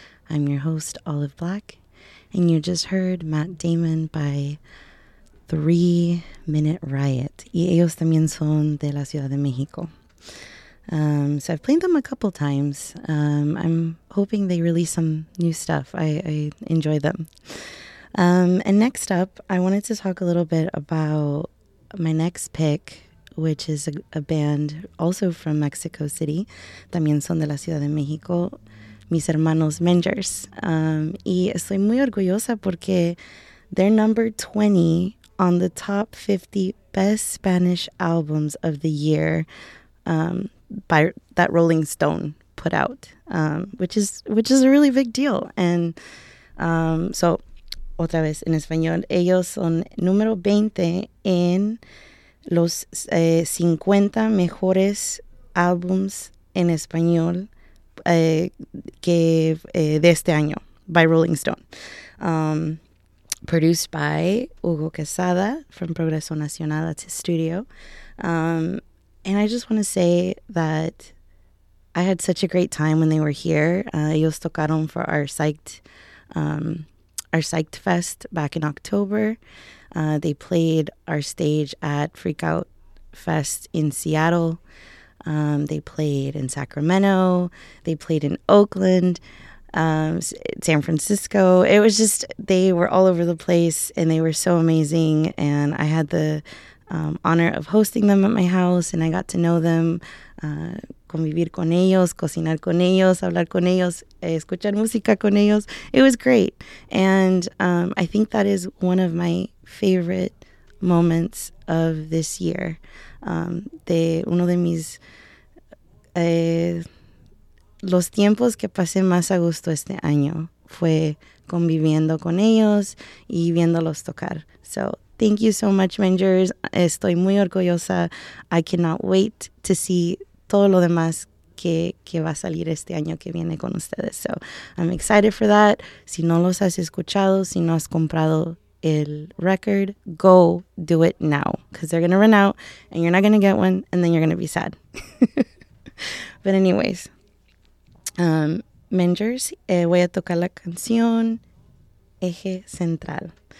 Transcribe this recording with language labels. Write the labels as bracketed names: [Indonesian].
[English] I'm your host, Olive Black, and you just heard Matt Damon by 3 Minute Riot. [Spanish] Y ellos también son de la Ciudad de México. [English] So I've played them a couple times. I'm hoping they release some new stuff. I enjoy them. And next up, I wanted to talk a little bit about my next pick, which is a band also from Mexico City. [Spanish] También son de la Ciudad de México, mis hermanos Mengers. Y estoy muy orgullosa porque [English] they're number 20 on the top 50 best Spanish albums of the year by that Rolling Stone put out, which is a really big deal. And so... [Spanish] Otra vez en español, ellos son número 20 en los 50 mejores álbums en español de este año [English] by Rolling Stone. Produced by Hugo Quesada from Progreso Nacional, that's his studio. And I just want to say that I had such a great time when they were here. [Spanish] Ellos tocaron [English] for our Psyched our Psyched Fest back in October. They played our stage at Freak Out Fest in Seattle. They played in Sacramento. They played in Oakland, San Francisco. It was just, they were all over the place and they were so amazing. And I had the honor of hosting them at my house and I got to know them, [Spanish] convivir con ellos, cocinar con ellos, [English] hablar con ellos, escuchar música con ellos. It was great. And I think that is one of my favorite moments of this year. [Spanish] Uno de mis los tiempos que pasé más a gusto este año fue conviviendo con ellos y viéndolos tocar. [English] So thank you so much, Mengers. [Spanish] Estoy muy orgullosa. [English] I cannot wait to see [Spanish] todo lo demás que va a salir este año que viene con ustedes. [English] So I'm excited for that. [Spanish] Si no los has escuchado, si no has comprado el record, [English] go do it now because they're going to run out and you're not going to get one and then you're going to be sad. But anyways, [Spanish] Mengers, voy a tocar la canción Eje Central.